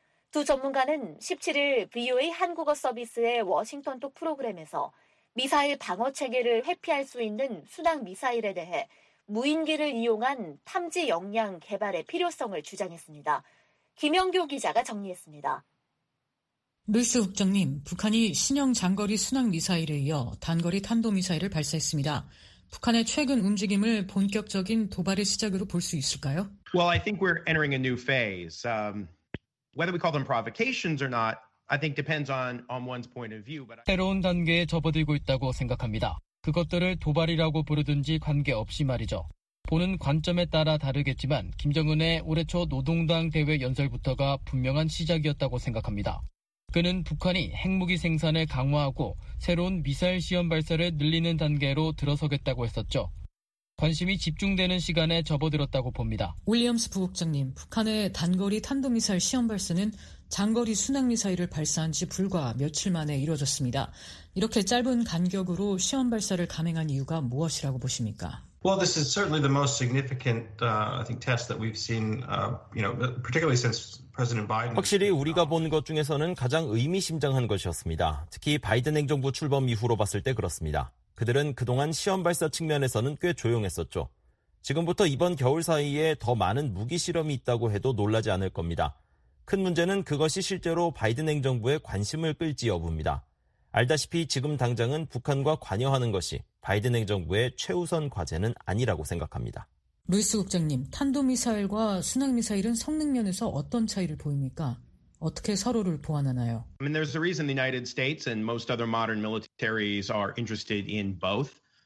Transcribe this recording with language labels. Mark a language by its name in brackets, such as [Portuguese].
[Korean] 두 전문가는 17일 VOA 한국어 서비스의 워싱턴톡 프로그램에서 미사일 방어 체계를 회피할 수 있는 순항 미사일에 대해 무인기를 이용한 탐지 역량 개발의 필요성을 주장했습니다. 김영규 기자가 정리했습니다. 루스 국장님, 북한이 신형 장거리 순항 미사일에 이어 단거리 탄도 미사일을 발사했습니다. 북한의 최근 움직임을 본격적인 도발의 시작으로 볼 수 있을까요? [English] Well, I think we're entering a new phase. Whether we call them provocations or not, I think depends on one's point of view. [Korean] 새로운 단계에 접어들고 있다고 생각합니다. 그것들을 도발이라고 부르든지 관계없이 말이죠. 보는 관점에 따라 다르겠지만 김정은의 올해 초 노동당 대회 연설부터가 분명한 시작이었다고 생각합니다. 그는 북한이 핵무기 생산을 강화하고 새로운 미사일 시험 발사를 늘리는 단계로 들어서겠다고 했었죠. 관심이 집중되는 시간에 접어들었다고 봅니다. 윌리엄스 부국장님, 북한의 단거리 탄도미사일 시험 발사는 장거리 순항미사일을 발사한 지 불과 며칠 만에 이뤄졌습니다. 이렇게 짧은 간격으로 시험 발사를 감행한 이유가 무엇이라고 보십니까? [English] Well, this is certainly the most significant, I think, test that we've seen, you know, particularly since President Biden. [Korean] 확실히 우리가 본 것 중에서는 가장 의미심장한 것이었습니다. 특히 바이든 행정부 출범 이후로 봤을 때 그렇습니다. 그들은 그동안 시험 발사 측면에서는 꽤 조용했었죠. 지금부터 이번 겨울 사이에 더 많은 무기 실험이 있다고 해도 놀라지 않을 겁니다. 큰 문제는 그것이 실제로 바이든 행정부의 관심을 끌지 여부입니다. 알다시피 지금 당장은 북한과 관여하는 것이 바이든 행정부의 최우선 과제는 아니라고 생각합니다. 루이스 국장님, 탄도미사일과 순항미사일은 성능 면에서 어떤 차이를 보입니까? 어떻게 서로를 보완하나요? [English] I mean, there's a reason the United States and most other modern militaries are interested in both.